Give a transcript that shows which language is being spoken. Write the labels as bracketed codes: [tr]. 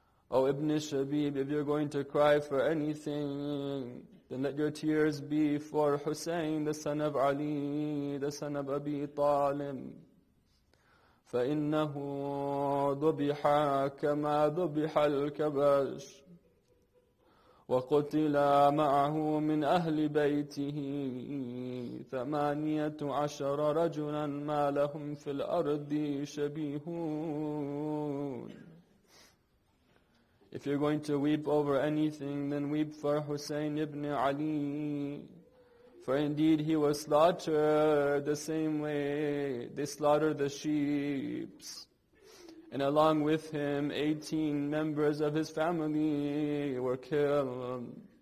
[en] Oh, Ibn Shabib, if you're going to cry for anything, then let your tears be for Hussein, the son of Ali, the son of Abi Talib. [ar] فَإِنَّهُ ذُبِحَ كَمَا ذُبِحَ الْكَبَشِ وقتل معه من أهل بيته 18 رجلا ما لهم في الأرض شبيهون. [en] If you're going to weep over anything, then weep for Hussein ibn Ali. For indeed he was slaughtered the same way they slaughtered the sheep. And along with him, 18 members of his family were killed.